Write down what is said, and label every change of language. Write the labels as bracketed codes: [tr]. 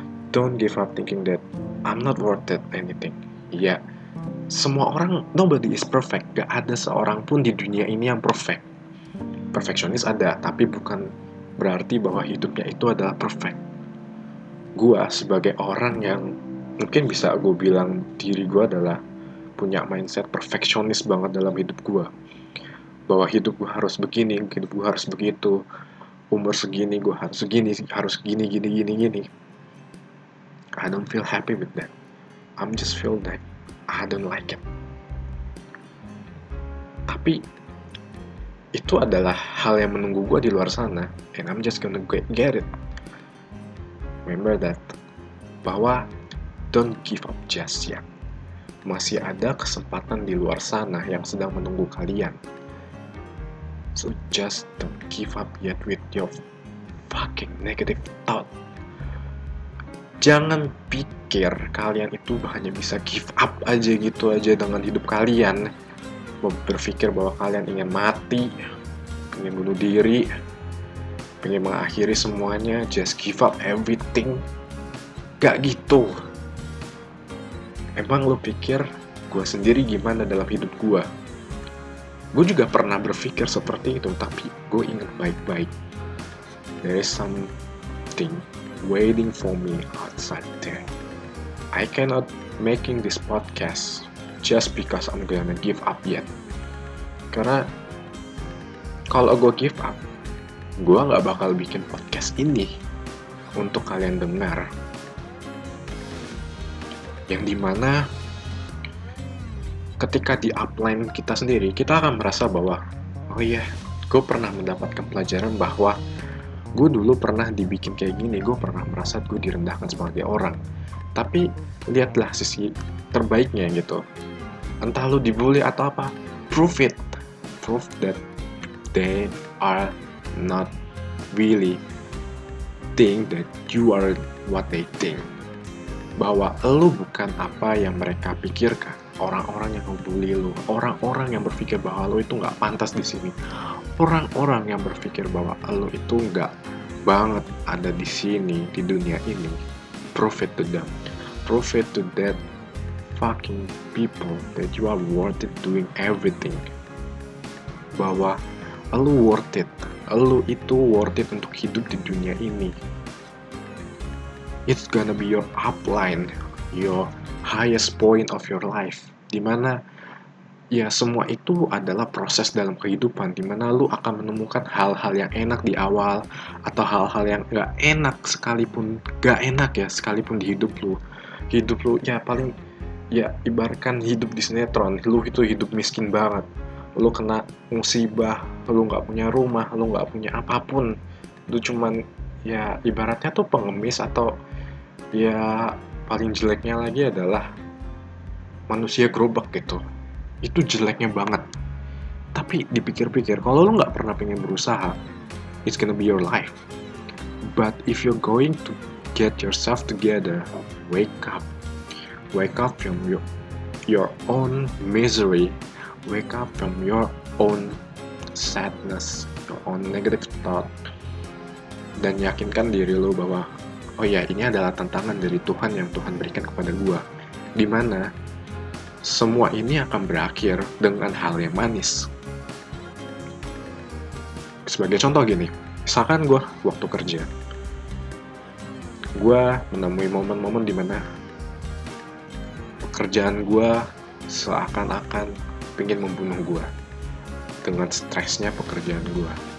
[en] Don't give up thinking that I'm not worth it anything. [id] Ya, semua orang, [en] nobody is perfect. [id] Gak ada seorang pun di dunia ini yang perfect. Perfectionist ada, tapi bukan berarti bahwa hidupnya itu adalah perfect. Gua sebagai orang yang mungkin bisa gue bilang diri gue adalah punya mindset perfeksionis banget dalam hidup gue. Bahwa hidup gue harus begini, hidup gue harus begitu. Umur segini, gue harus segini, harus gini, gini, gini, gini. [en] I don't feel happy with that. I'm just feel that I don't like it. [id] Tapi itu adalah hal yang menunggu gue di luar sana, [en] and I'm just gonna get it. Remember that, bahwa don't give up just yet. [id] Masih ada kesempatan di luar sana yang sedang menunggu kalian. [en] So just don't give up yet with your fucking negative thought. [id] Jangan pikir kalian itu hanya bisa give up aja gitu aja dengan hidup kalian. Berpikir bahwa kalian ingin mati, ingin bunuh diri, ingin mengakhiri semuanya, [en] just give up everything. [id] Gak gitu. Emang lo pikir gue sendiri gimana dalam hidup gue? Gue juga pernah berpikir seperti itu, tapi gue ingat baik-baik. [en] There is something waiting for me outside there. I cannot making this podcast just because I'm gonna give up yet. [id] Karena kalau gue give up, gue gak bakal bikin podcast ini untuk kalian dengar. Yang dimana ketika di upline kita sendiri, kita akan merasa bahwa, oh iya, gue pernah mendapatkan pelajaran bahwa gue dulu pernah dibikin kayak gini, gue pernah merasa gue direndahkan sebagai orang. Tapi lihatlah sisi terbaiknya gitu. Entah lu dibully atau apa, [en] prove it. Prove that they are not really think that you are what they think. [id] Bahwa lu bukan apa yang mereka pikirkan. Orang-orang yang ngebully lu, orang-orang yang berpikir bahwa lu itu gak pantas di sini, orang-orang yang berpikir bahwa lu itu gak banget ada di sini, di dunia ini. [en] Prove it to them. Prove it to that fucking people that you are worth it doing everything. [id] Bahwa lu worth it. Lu itu worth it untuk hidup di dunia ini. [en] It's gonna be your upline, your highest point of your life. [id] Dimana ya semua itu adalah proses dalam kehidupan, dimana lu akan menemukan hal-hal yang enak di awal atau hal-hal yang gak enak sekalipun di hidup lu. Hidup lu ya paling ya ibaratkan hidup di sinetron, lu itu hidup miskin banget. Lu kena musibah, lu gak punya rumah, lu gak punya apapun. Lu cuman ya ibaratnya tuh pengemis atau ya paling jeleknya lagi adalah manusia gerobak gitu. Itu jeleknya banget. Tapi dipikir-pikir, kalau lo gak pernah pengen berusaha, [en] it's gonna be your life. But if you're going to get yourself together, wake up. Wake up from your own misery. Wake up from your own sadness, your own negative thought. [id] Dan yakinkan diri lo bahwa, oh ya, ini adalah tantangan dari Tuhan yang Tuhan berikan kepada gue. Dimana semua ini akan berakhir dengan hal yang manis. Sebagai contoh gini, misalkan gue waktu kerja, gue menemui momen-momen dimana pekerjaan gue seakan-akan ingin membunuh gue dengan stresnya pekerjaan gue.